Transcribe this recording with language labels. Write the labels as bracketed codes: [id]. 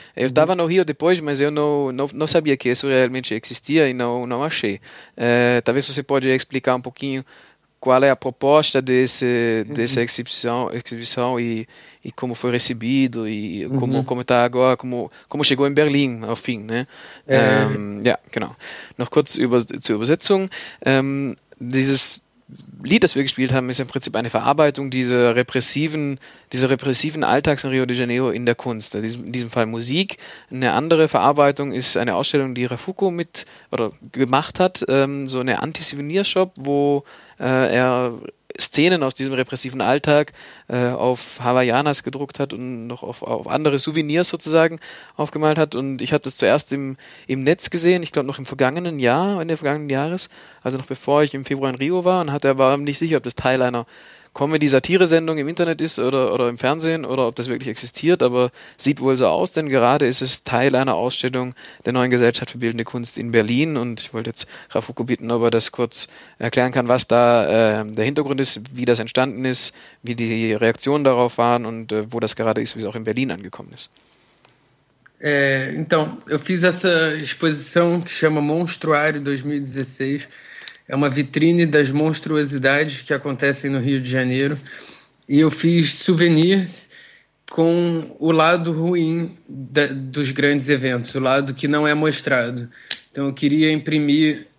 [pt] Eu estava no Rio depois, mas eu não sabia que isso realmente existia e não achei. Talvez você pode explicar um pouquinho qual é a proposta dessa exibição e como foi recebido e como está agora, como chegou em Berlim, ao fim, né? [de] Genau. Noch kurz zur Übersetzung. Dieses Lied, das wir gespielt haben, ist im Prinzip eine Verarbeitung dieser repressiven Alltags in Rio de Janeiro in der Kunst. In diesem Fall Musik. Eine andere Verarbeitung ist eine Ausstellung, die Rafuco gemacht hat, so eine Anti-Souvenir-Shop, wo er Szenen aus diesem repressiven Alltag auf Hawaiianas gedruckt hat und noch auf andere Souvenirs sozusagen aufgemalt hat. Und ich habe das zuerst im Netz gesehen, ich glaube noch im vergangenen Jahr, in der vergangenen Jahres, also noch bevor ich im Februar in Rio war, und war nicht sicher, ob das Teil einer Comedy-Satire-Sendung im Internet ist oder im Fernsehen oder ob das wirklich existiert, aber sieht wohl so aus, denn gerade ist es Teil einer Ausstellung der Neuen Gesellschaft für Bildende Kunst in Berlin, und ich wollte jetzt Rafuco bitten, ob er das kurz erklären kann, was da der Hintergrund ist, wie das entstanden ist, wie die Reaktionen darauf waren und wo das gerade ist, wie es auch in Berlin angekommen ist. [pt] Então, eu fiz essa exposição que chama Monstruário 2016. É uma vitrine das monstruosidades que acontecem no Rio de Janeiro. E eu fiz souvenirs com o lado ruim dos grandes eventos, o lado que não é mostrado. Então eu queria imprimir